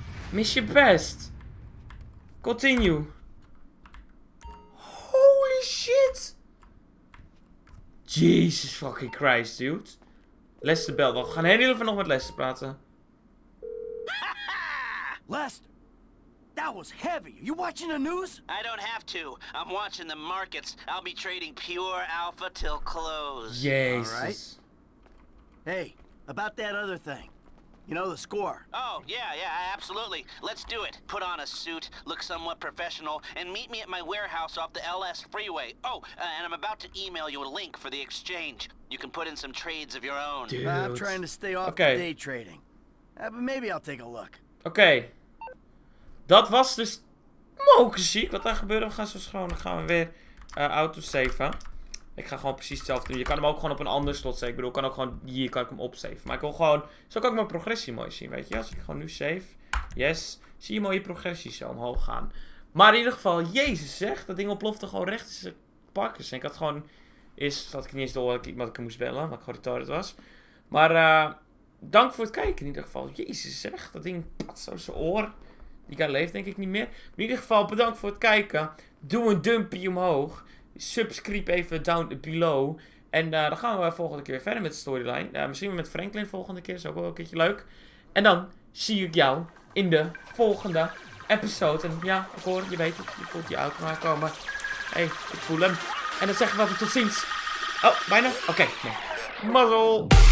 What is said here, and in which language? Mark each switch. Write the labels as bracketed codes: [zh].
[en] Miss your best. Continue. Holy shit. Jesus fucking Christ, dude. Lester bel. [nl] We gaan heel even nog met Lester praten. [en] Lester. That was heavy. Are you watching the news? I don't have to. I'm watching the markets. I'll be trading pure alpha till close. Jesus. Hey, about that other thing. You know the score. Oh, yeah, yeah, absolutely. Let's do it. Put on a suit, look somewhat professional, and meet me at my warehouse off the LS freeway. Oh, and I'm about to email you a link for the exchange. You can put in some trades of your own. Dude. I'm trying to stay off okay. The day trading. But maybe I'll take a look. Okay. [nl] Dat was dus mokerziek wat daar gebeurde. We gaan zo schoon. Dan gaan we weer autosaven. Ik ga gewoon precies hetzelfde doen. Je kan hem ook gewoon op een ander slot zetten. Ik bedoel, ik kan ook gewoon hier kan ik hem opsaven. Maar ik wil gewoon... Zo kan ik mijn progressie mooi zien, weet je. Als ik gewoon nu save. Yes. Zie je mooie progressie zo omhoog gaan. Maar in ieder geval, jezus zeg. Dat ding oplofte gewoon recht in zijn pakjes. En ik had gewoon... Eerst had ik niet eens door dat ik iemand moest bellen. Wat ik gewoon retarded was. Maar dank voor het kijken in ieder geval. Jezus zeg. Dat ding pat zo zijn oor. Die kan leeft denk ik niet meer. In ieder geval, bedankt voor het kijken. Doe een dumpje omhoog. [en] Subscribe even down below. [nl] En dan gaan we volgende keer weer verder met de storyline. Misschien met Franklin volgende keer. Is ook wel een keertje leuk. En dan zie ik jou in de volgende episode. En ja, ik hoor, je weet het. Je voelt je auto aankomen. Hé, ik voel hem. En dan zeggen we tot ziens. Oh, bijna. Oké, nee. Mazzel.